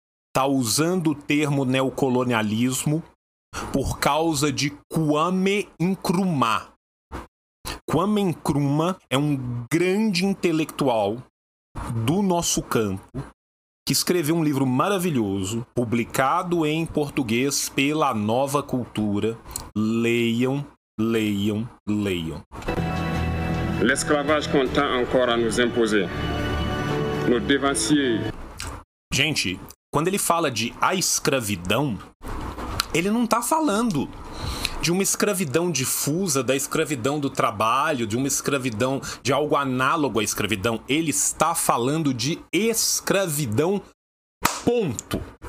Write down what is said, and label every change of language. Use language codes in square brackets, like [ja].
[pt] Está usando o termo neocolonialismo por causa de Kwame Nkrumah. Kwame Nkrumah é um grande intelectual do nosso campo que escreveu um livro maravilhoso, publicado em português pela Nova Cultura. Leiam, leiam, leiam. [fr] L'esclavage qu'on tend encore à nous imposer, nos devanciers. [pt] Gente, quando ele fala de a escravidão, ele não tá falando de uma escravidão difusa, da escravidão do trabalho, de uma escravidão, de algo análogo à escravidão. Ele está falando de escravidão, ponto.